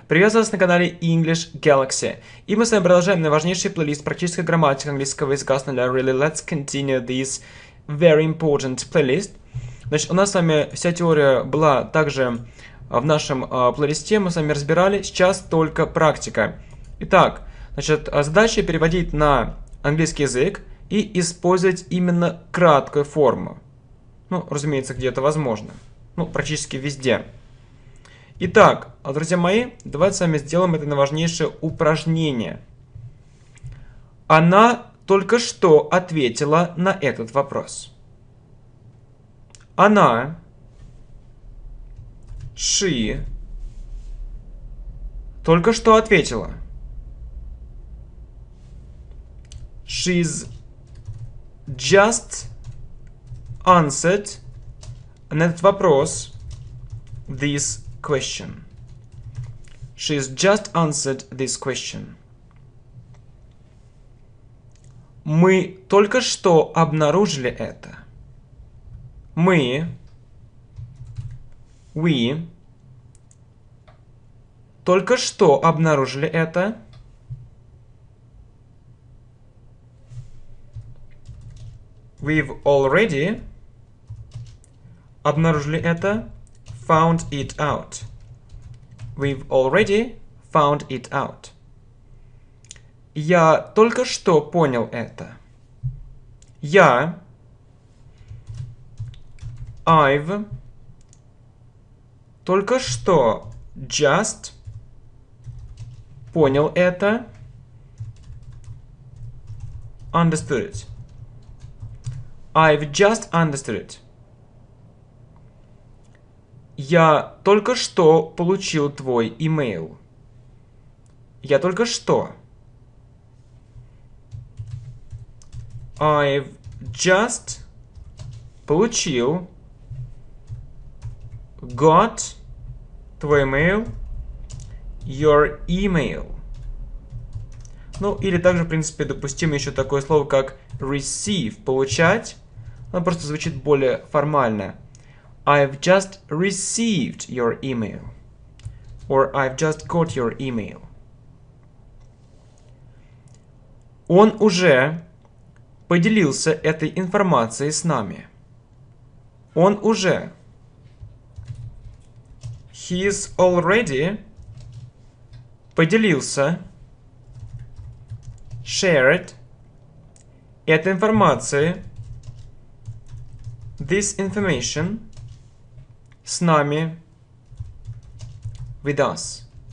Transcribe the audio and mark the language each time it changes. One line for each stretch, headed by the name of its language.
Russian: Приветствую вас на канале English Galaxy. И мы с вами продолжаем наиважнейший плейлист практической грамматики английского языка с нуля.
English: Really, let's continue this very important playlist.
Russian: Значит, у нас с вами вся теория была также в нашем плейлисте, мы с вами разбирали, сейчас только практика. Итак, значит, задача переводить на английский язык и использовать именно краткую форму. Ну, разумеется, где это возможно. Ну, практически везде. Итак, друзья мои, давайте с вами сделаем это наиважнейшее упражнение. Она только что ответила на этот вопрос. Она,
English: she,
Russian: только что ответила.
English: She's just answered
Russian: на этот вопрос
English: this question. She's just answered this question.
Russian: Мы только что обнаружили это. Мы,
English: we,
Russian: только что обнаружили это.
English: We've already
Russian: обнаружили это,
English: found it out. We've already found it out.
Russian: Я только что понял это. Я,
English: I've
Russian: только что
English: just
Russian: понял это,
English: understood it. I've just understood it.
Russian: Я только что получил твой email. Я только что.
English: I've just
Russian: получил,
English: got
Russian: твой
English: email, your email.
Russian: Ну, или также, в принципе, допустим еще такое слово, как receive, получать. Оно просто звучит более формально.
English: I've just received your email. Or I've just got your email.
Russian: Он уже поделился этой информацией с нами. Он уже.
English: He's already
Russian: поделился,
English: shared
Russian: этой информацией,
English: this information,
Russian: с нами,
English: with us.